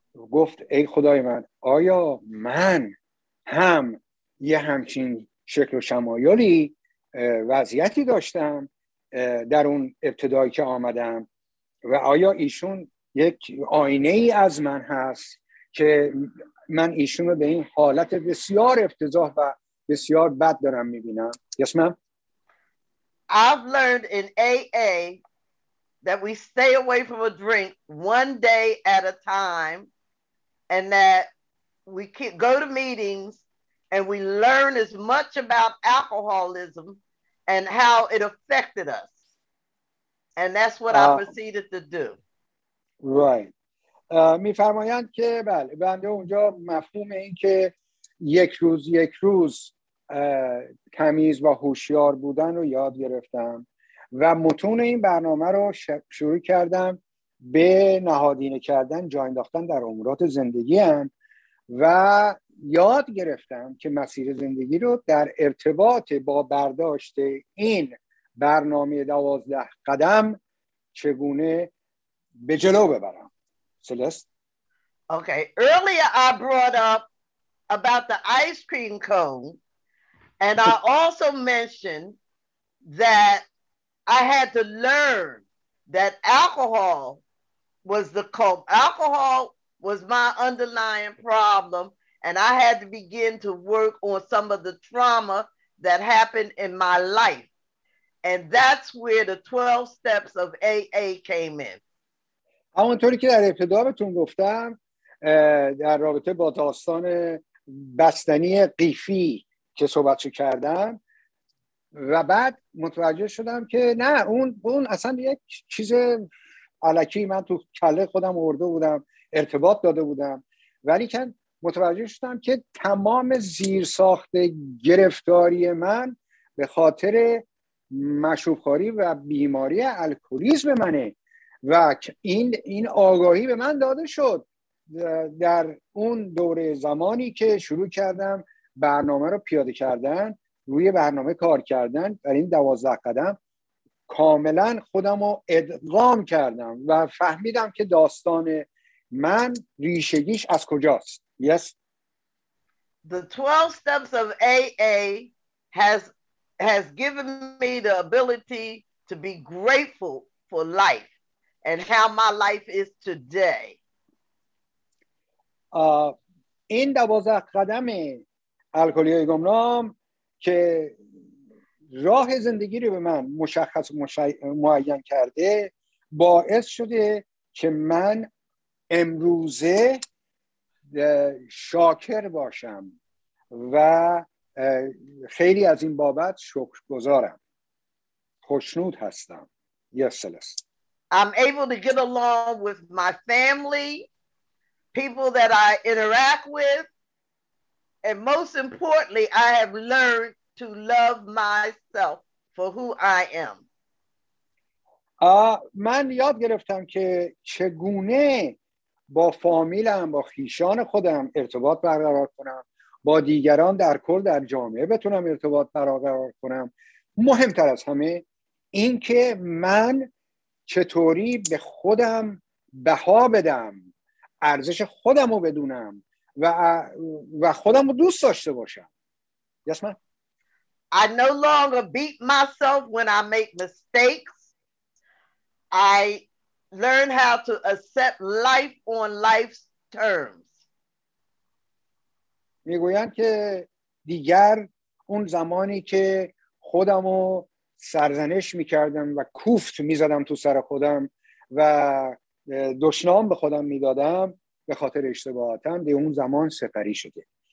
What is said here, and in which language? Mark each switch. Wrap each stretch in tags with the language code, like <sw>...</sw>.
<fa>گفت ای خدای من، آیا من هم یه همچین شکل و شمایلی وضعیتی داشتم در اون ابتدایی که آمدم و آیا ایشون یک آینه ای از من هست که من ایشون رو به این حالت بسیار افتضاح و بسیار بد دارم میبینم.</fa> <en>Yes, ma'am. I've learned in AA that we stay away from a drink one day at a time, and that we keep, go to meetings and we learn as much about alcoholism and how it affected us. And that's what I proceeded to do. Right.</en> <fa>میفرمایند که بله بنده اونجا مفهوم این که یک روز تمیز و هوشیار بودن رو یاد گرفتم و متون این برنامه رو شروع کردم به نهادینه کردن، جای انداختن در امورات زندگیم و یاد گرفتم که مسیر زندگی رو در ارتباط با برداشت این برنامه 12 قدم چگونه به جلو ببرم.</fa> <en>Celeste? Okay. Earlier I brought up about the ice cream cone, and I also mentioned that I had to learn that alcohol was the culprit. Alcohol was my underlying problem, and I had to begin to work on some of the trauma that happened in my life. And that's where the 12 steps of AA came in.</en> <fa>همونطوری که در ابتدا بهتون گفتم در رابطه با داستان بستنی قیفی که صحبت کردم و بعد متوجه شدم که نه اون اصلا یک چیز علکی من تو کله خودم آورده بودم، ارتباط داده بودم، ولی که متوجه شدم که تمام زیرساخت گرفتاری من به خاطر مشروبخواری و بیماری الکلیسم منه و این آگاهی به من داده شد در اون دوره زمانی که شروع کردم برنامه رو پیاده کردن، روی برنامه کار کردن در این 12 قدم کاملا خودم رو ادغام کردم و فهمیدم که داستان من ریشگیش از کجاست.</fa> <en>Yes. The 12 steps of AA has given me the ability to be grateful for life and how my life is today.</en> <fa>این 12 قدم الکلی‌های گمنام که راه زندگی رو به من مشخص معین کرده باعث شده که من امروزه شاکر باشم و خیلی از این بابت شکرگزارم، خوشنود هستم.</fa> <en>Yes, Celeste. I'm able to get along with my family, people that I interact with, and most importantly, I have learned to love myself for who I am.</en> <fa>من یاد گرفتم که چگونه با فامیلم، با خیشان خودم ارتباط برقرار کنم، با دیگران در کل در جامعه بتونم ارتباط برقرار کنم. مهمتر از همه این که من چطوری به خودم بها بدم، ارزش خودم رو بدونم و خودم رو دوست داشته باشم.</fa> <en>Yes, ma'am. I no longer beat myself when I make mistakes. I learn how to accept life on life's terms.</en> <fa>میگویند که دیگر اون زمانی که خودم رو سرزنش میکردم و کوفت میزدم تو سر خودم و دشنام به خودم میدادم به خاطر اشتباهاتم، به اون زمان سپری شده.</fa>